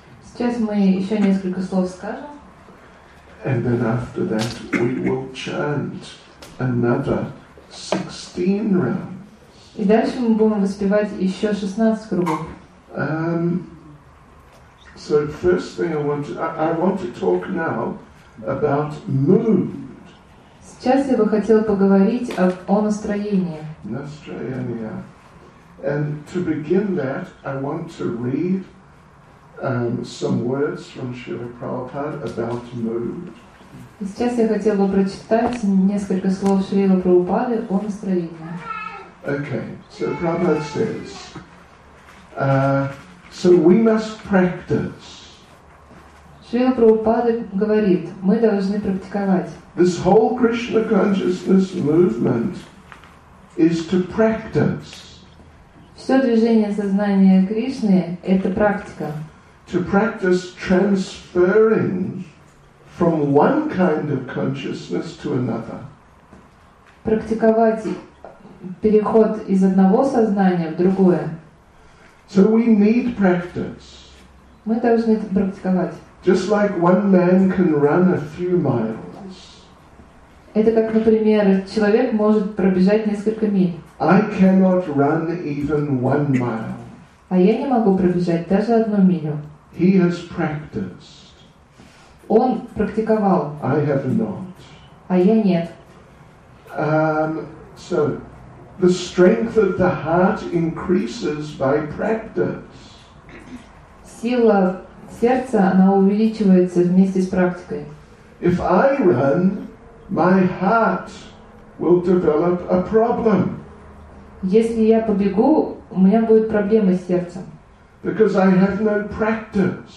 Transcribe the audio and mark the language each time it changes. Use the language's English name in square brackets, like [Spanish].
[Russian] Сейчас мы еще несколько слов скажем. [English] And then after that, we will chant another 16 rounds. [Russian] И дальше мы будем воспевать еще 16 кругов. [English] So first thing I want to talk now about mood. [Russian] Сейчас я бы хотел поговорить о настроении. Настроение. [English] And to begin that, I want to read some words from Srila Prabhupada about mood. [Russian] Сейчас я хотел бы прочитать несколько слов Шрилы Прабхупады о настроении. [English] Okay, so Prabhupada says, so we must practice. [Russian] Шрила Прабхупада говорит, мы должны практиковать. [English] This whole Krishna consciousness movement is to practice. [Russian] Все движение сознания Кришны – это практика. [English] To practice transferring from one kind of consciousness to another. [Russian] Практиковать переход из одного сознания в другое. [English] So we need practice. [Russian] Мы должны это практиковать. [English] Just like one man can run a few miles. [Russian] Это как, например, человек может пробежать несколько миль. [English] I cannot run even 1 mile. [Russian] А я не могу пробежать даже одну милю. [English] He has practiced. [Russian] Он практиковал. [English] I have not. [Russian] А я нет. [English] So the strength of the heart increases by practice. [Russian] Сила сердца, она увеличивается вместе с практикой. [English] If I run, my heart will develop a problem. [Russian] Если я побегу, у меня будет проблема с сердцем. [English] Because I have no practice.